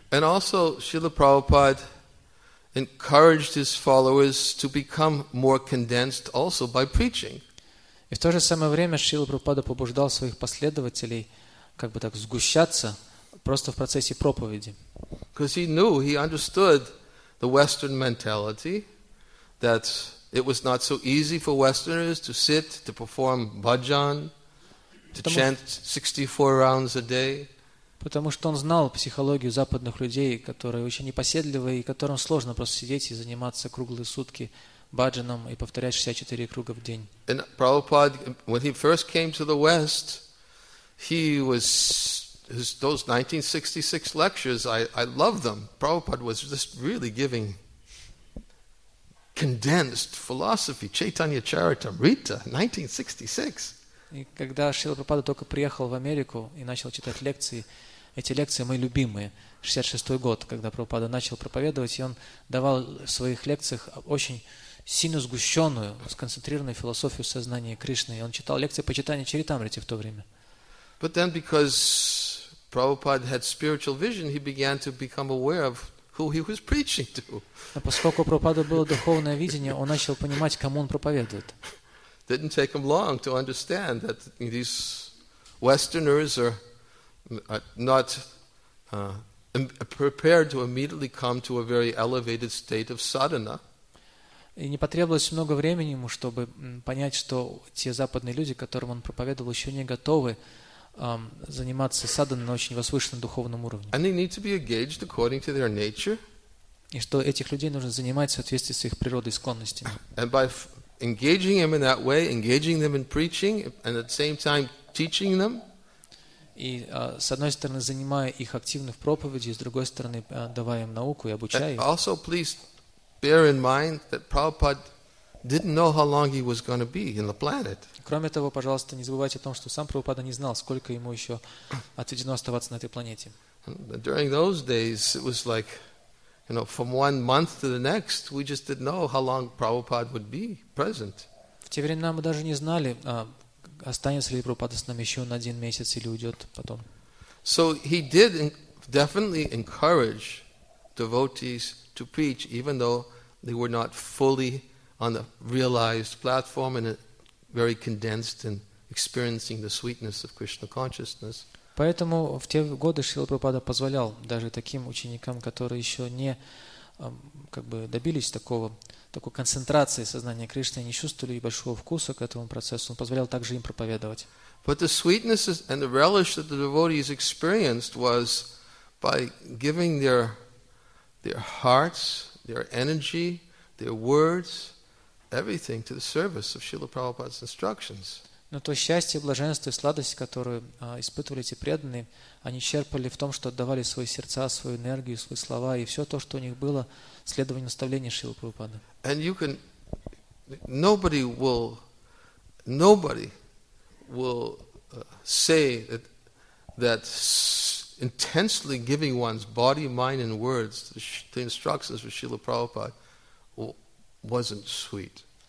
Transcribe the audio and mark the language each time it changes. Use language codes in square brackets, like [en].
[en] And also, Srila Prabhupada encouraged his followers to become more condensed also by preaching. [ru] И в то же самое время Шрила Прабхупада побуждал своих последователей как бы так сгущаться просто в процессе проповеди. [en] Because he knew, he understood the Western mentality that it was not so easy for Westerners to sit, to perform bhajan, to chant 64 rounds a day. [ru] Потому что он знал психологию западных людей, которые очень непоседливы, и которым сложно просто сидеть и заниматься круглые сутки бхаджаном и повторять 64 круга в день. [en] And Prabhupada, when he first came to the West, he was... Those 1966 lectures, I love them. Prabhupada was just really giving condensed philosophy, Chaitanya Charitamrita, 1966. [ru] И когда Шрила Прабхупада только приехал в Америку и начал читать лекции, эти лекции мои любимые, 66-й год, когда Прабхупада начал проповедовать, и он давал в своих лекциях очень сильно сгущенную, сконцентрированную философию сознания Кришны. И он читал лекции по Чайтанья Чаритамрите в то время. [en] But then because Prabhupada had spiritual vision, he began to become aware of who he was preaching to. [ru] Но поскольку у Прабхупады было духовное видение, он начал понимать, кому он проповедует. [en] Didn't take him long to understand that these Westerners are not prepared to immediately come to a very elevated state of sadhana. [ru] И не потребовалось много времени ему, чтобы понять, что те западные люди, которым он проповедовал, еще не готовы заниматься садханой на очень возвышенном духовном уровне. [en] And they need to be engaged according to their nature. [ru] И что этих людей нужно занимать в соответствии с их природой и склонностями. [en] And by engaging them in that way, engaging them in preaching, and at the same time teaching them. [ru] И с одной стороны занимая их активно в проповеди, с другой стороны давая им науку и обучая их. [en] Also, please bear in mind that Prabhupada didn't know how long he was going to be in the planet. [ru] Кроме того, пожалуйста, не забывайте о том, что сам Прабхупада не знал, сколько ему еще отведено оставаться на этой планете. [en] During those days, it was like, you know, from one month to the next, we just didn't know how long Prabhupada would be present. [ru] В те времена мы даже не знали, останется ли Прабхупада с нами еще на один месяц или уйдет потом. [en] So he did definitely encourage devotees to preach, even though they were not fully on the realized platform and very condensed and experiencing the sweetness of Krishna consciousness. [ru] Поэтому в те годы Шрила Прабхупада позволял даже таким ученикам, которые еще не как бы добились такой концентрации сознания Кришны, не чувствовали большого вкуса к этому процессу, он позволял также им проповедовать. [en] But the sweetness and the relish that the devotees experienced was by giving their hearts, their energy, their words, everything to the service of Srila Prabhupada's instructions. [ru] Но то счастье, блаженство и сладость, которую испытывали эти преданные, они черпали в том, что отдавали свои сердца, свою энергию, свои слова и все то, что у них было, следование наставлений Шрилы Прабхупады. [en] And you can nobody will say that intensely giving one's body, mind and words to the instructions of Srila Prabhupada wasn't sweet.